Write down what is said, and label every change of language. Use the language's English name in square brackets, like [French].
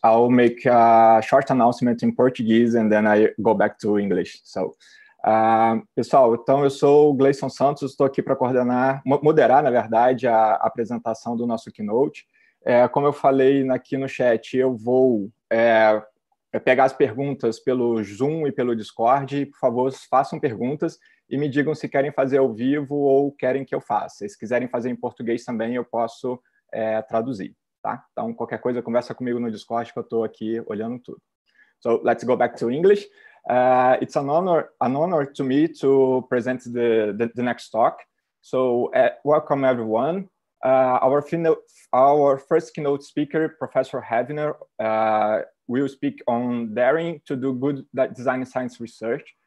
[English] I'll make a short announcement in Portuguese and then I go back to English. [Portuguese] So, pessoal, então eu sou o Gleison Santos, estou aqui para moderar, na verdade, a apresentação do nosso keynote. Como eu falei aqui no chat, eu vou pegar as perguntas pelo Zoom e pelo Discord. Por favor, façam perguntas e me digam se querem fazer ao vivo ou querem que eu faça. Se quiserem fazer em português também, eu posso traduzir, tá? Então, qualquer coisa, conversa comigo no Discord, que eu estou aqui olhando tudo. [English] So, let's go back to English. It's an honor to me to present the next talk. So, welcome everyone. Our first keynote speaker, Professor Hevner, will speak on daring to do good design science research.